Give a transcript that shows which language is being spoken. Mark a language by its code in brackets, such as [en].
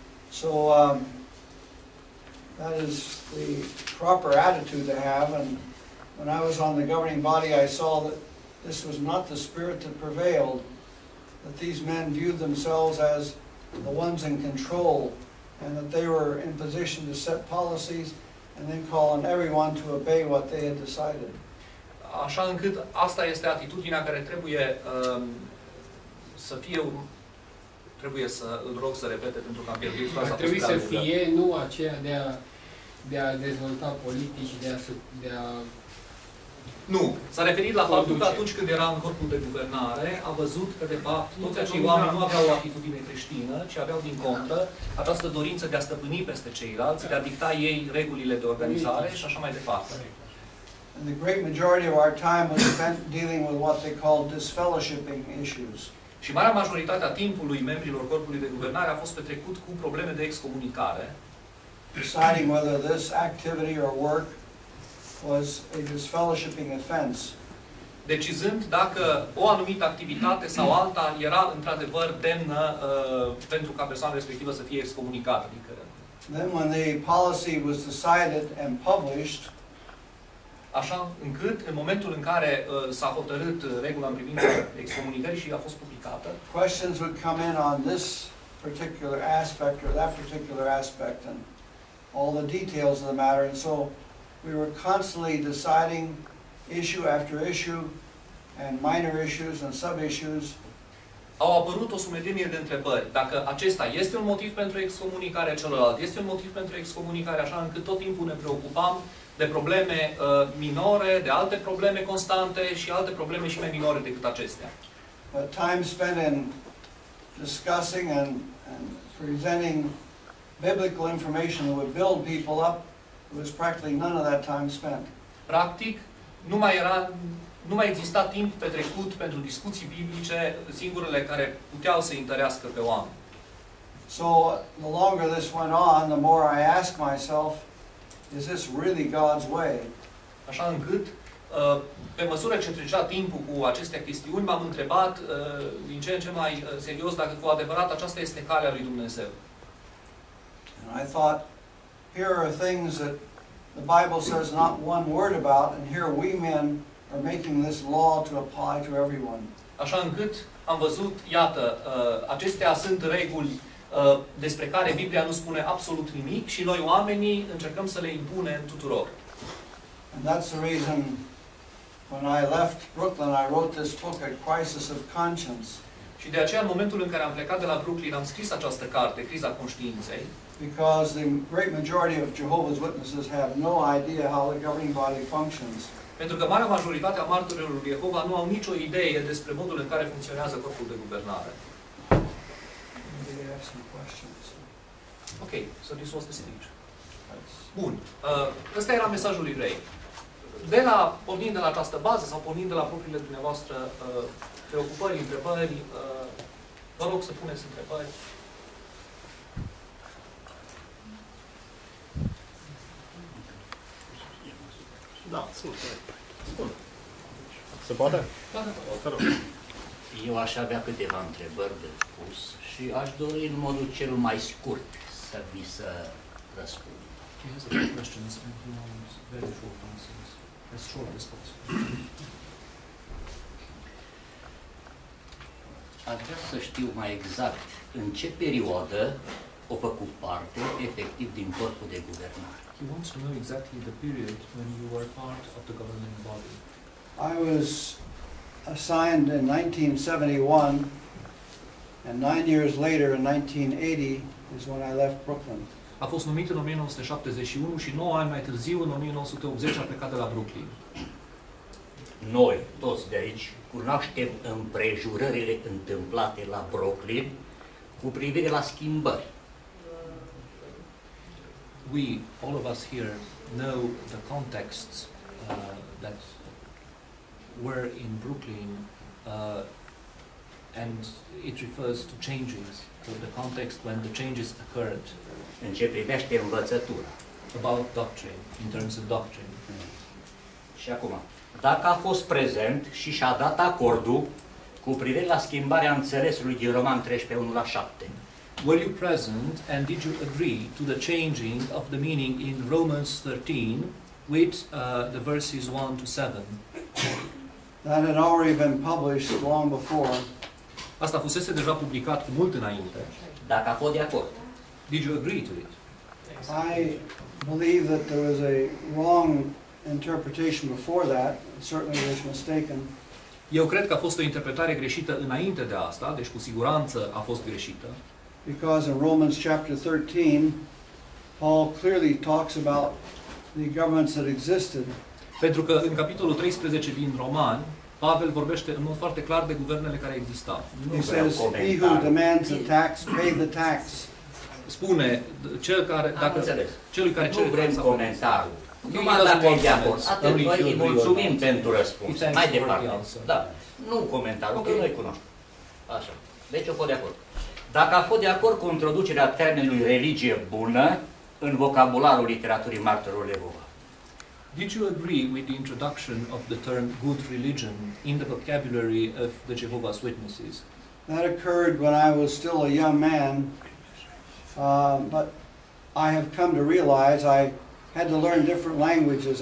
[en] So that is the proper attitude to have, and when I was on the governing body, I saw that this was not the spirit that prevailed, that these men viewed themselves as the ones in control, and that they were in position to set policies and then call on everyone to obey what they had decided. [ro] Așa încât asta este atitudinea care trebuie să fie trebuie să îl rog să repete pentru că am pierdut fața. Ar trebui să fie nu aceea de a dezvolta politici, de a nu, s-a referit la faptul că atunci când era în corpul de guvernare, a văzut că, de fapt, toți acei oameni nu aveau o atitudine creștină, ci aveau, din contră, această dorință de a stăpâni peste ceilalți, de a dicta ei regulile de organizare și așa mai departe. [en] And the great majority of our time was spent dealing with what they called disfellowshipping issues. [ro] Și marea majoritate a timpului membrilor corpului de guvernare a fost petrecut cu probleme de excomunicare. [en] Deciding whether this activity or work was a disfellowshipping offense. [ro] Decizând dacă o anumită activitate sau alta era într-adevăr demnă pentru ca persoana respectivă să fie excomunicată. Adică, [en] then when the policy was decided and published, [ro] așa încât în momentul în care s-a hotărât regula în privința excomunicării și a fost publicată, [en] questions would come in on this particular aspect or that particular aspect and all the details of the matter, and so we were constantly deciding issue after issue and minor issues and sub-issues. [ro] Au apărut o sumedenie de întrebări. Dacă acesta este un motiv pentru excomunicare, celălalt este un motiv pentru excomunicare, așa încât tot timpul ne preocupam de probleme minore, de alte probleme constante și alte probleme și mai minore decât acestea. [en] But time spent in discussing and presenting biblical information that would build people up was practically none of that time spent. [ro] Practic, nu mai exista timp petrecut pentru discuții biblice, singurele care puteau să întărească pe oameni. [en] So, the longer this went on, the more I asked myself, is this really God's way? [ro] Așa încât, pe măsură ce trecea timpul cu aceste chestiuni, m-am întrebat din ce în ce mai serios dacă cu adevărat aceasta este calea lui Dumnezeu. [en] And I thought, here are things that the Bible says not one word about, and here we men are making this law to apply to everyone. [ro] Așa încât am văzut, iată, acestea sunt reguli despre care Biblia nu spune absolut nimic și noi oamenii încercăm să le impunem tuturor. [en] And that's the reason when I left Brooklyn I wrote this book, A Crisis of Conscience. [ro] Și de aceea, în momentul în care am plecat de la Brooklyn, am scris această carte, Criza Conștiinței. [en] Because the great majority of Jehovah's Witnesses have no idea how the governing body functions. [ro] Pentru că marea majoritate a martorilor lui Jehova nu au nicio idee despre modul în care funcționează corpul de guvernare. [en] Maybe they have some questions. Ok, so this was the speech. Bun. Ăsta era mesajul evrei. [ro] Pornind de la această bază sau pornind de la propriile dumneavoastră preocupări, întrebări, vă rog să puneți întrebări. Da, sunt. Bun. Se poate? Eu aș avea câteva întrebări de pus și aș dori în modul cel mai scurt să vi se răspund. [en] He has a few questions and he wants very short answers. as short as possible. [ro] Aș vrea să știu mai exact în ce perioadă a făcut parte efectiv din corpul de guvernare. [en] He wants to know exactly the period when you were part of the governing body. I was assigned in 1971, and 9 years later, in 1980, is when I left Brooklyn. [ro] A fost numit în 1971 și 9 ani mai târziu, în 1980, a plecat de la Brooklyn. Noi, toți de aici, cunoaștem împrejurările întâmplate la Brooklyn cu privire la schimbări. [en] We, all of us here, know the contexts that were in Brooklyn, and it refers to changes, to the context when the changes occurred. [ro] În ce privește învățătura. [en] About doctrine, in terms of doctrine. [ro] Și acum, dacă a fost prezent și și-a dat acordul cu privire la schimbarea înțelesului din Roman 13:1-7. [en] Were you present and did you agree to the changing of the meaning in Romans 13 with the verses 1-7? That had already been published long before. [ro] Asta fusese deja publicat cu mult înainte. Dacă a fost de acord. [en] Did you agree to it? I believe that there was a wrong interpretation before that. Certainly was mistaken. [ro] Eu cred că a fost o interpretare greșită înainte de asta, deci cu siguranță a fost greșită. [en] Because in Romans chapter 13, Paul clearly talks about the governments that existed. [ro] Pentru că în capitolul 13 din Romani, Pavel vorbește în mod foarte clar de guvernele care existau. [en] He says, he who demands a tax, pay the tax. [ro] Spune, cel care, dacă, celui care cere taxa. Nu vrem comentariul. Numai dacă e de acord. Atât, noi îi mulțumim pentru răspuns. Mai departe. Da. Nu comentariul, că noi cunoaștem. Așa. Deci eu fost de acord. Dacă a fost de acord cu introducerea termenului religie bună în vocabularul literaturii martorilor Jehova. [en] Did you agree with the introduction of the term good religion in the vocabulary of the Jehovah's Witnesses? That occurred when I was still a young man, but I have come to realize I had to learn different languages.